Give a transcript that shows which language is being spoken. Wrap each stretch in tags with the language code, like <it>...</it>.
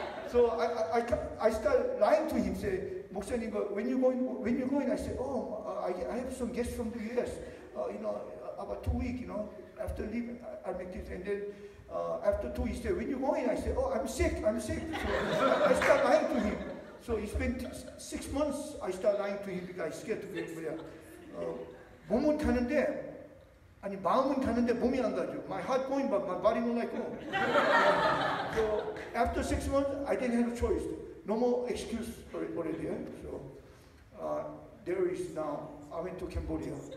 <en>So I start lying to him, say, Moksanim, when you're going, I say, oh, I have some guests from the US, you know, about 2 weeks, you know, after leaving, I make this, and then after 2 weeks, he said, when you going? I said, oh, I'm sick. So I start lying to him. So it's been 6 months, I start lying to him because I'm scared to go to Korea.</en> <ko>몸은 타는데, 아니, 마음은 타는데 몸이 안 가죠.</ko> <en>My heart going, but my body won't let go. So after 6 months, I didn't have a choice. No more excuse for it already. Yeah? So there is now, I went to Cambodia.</en>